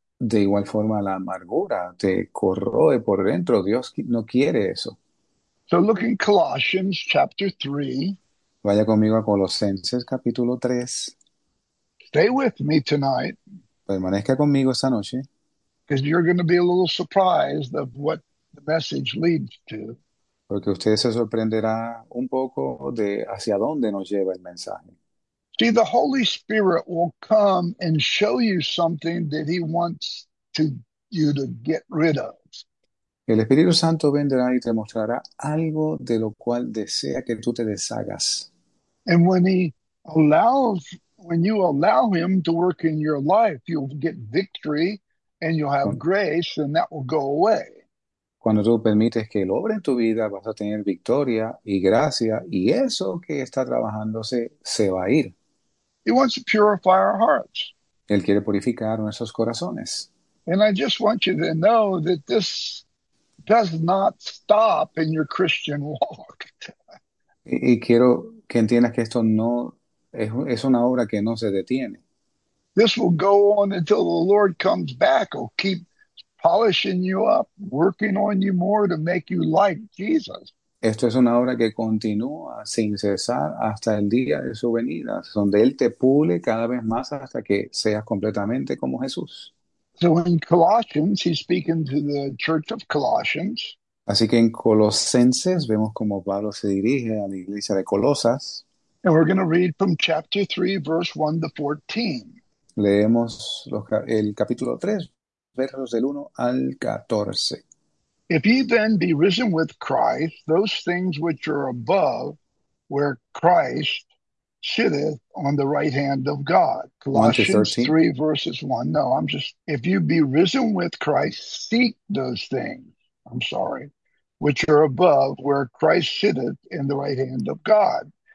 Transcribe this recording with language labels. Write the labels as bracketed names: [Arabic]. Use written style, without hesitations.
[Spanish] De igual forma la amargura te corroe por dentro. Dios no quiere eso. [English] So look in Colossians chapter 3. [Spanish] Vaya conmigo a Colosenses capítulo 3. [English] Stay with me tonight. [Spanish] Permanezca conmigo esta noche. [English] Because you're going to be a little surprised of what the message leads to. [Spanish] Porque usted se sorprenderá un poco de hacia dónde nos lleva el mensaje. [English] See, the Holy Spirit will come and show you something that He wants to you to get rid of. [Spanish] El Espíritu Santo vendrá y te mostrará algo de lo cual desea que tú te deshagas. [English] And when He allows, when you allow Him to work in your life, you'll get victory. And you'll have grace, and that will go away. [Spanish] Cuando tú permites que él obre en tu vida, vas a tener victoria y gracia, y eso que está trabajándose se va a ir. [English] He wants to purify our hearts. [Spanish] Él quiere purificar nuestros corazones. [English] And I just want you to know that this does not stop in your Christian walk. [Spanish] Y quiero que entiendas que esto no es, es una obra que no se detiene. [English] This will go on until the Lord comes back. He'll keep polishing you up, working on you more to make you like Jesus. [Spanish] Esto es una obra que continúa sin cesar hasta el día de su venida, donde Él te pule cada vez más hasta que seas completamente como Jesús. [English] So in Colossians, he's speaking to the church of Colossians. [Spanish] Así que en Colosenses vemos cómo Pablo se dirige a la iglesia de Colosas. [English] And we're going to read from chapter 3, verse 1 to 14. [Spanish] Leemos el capítulo 3, versos del 1 al 14. [English] If ye then be risen with Christ, those things which are above, where Christ sitteth on the right hand of God. 1 through Colossians 13. three verses one. No, I'm just, if you be risen with Christ, seek those things, I'm sorry, which are above, where Christ sitteth in the right hand of God.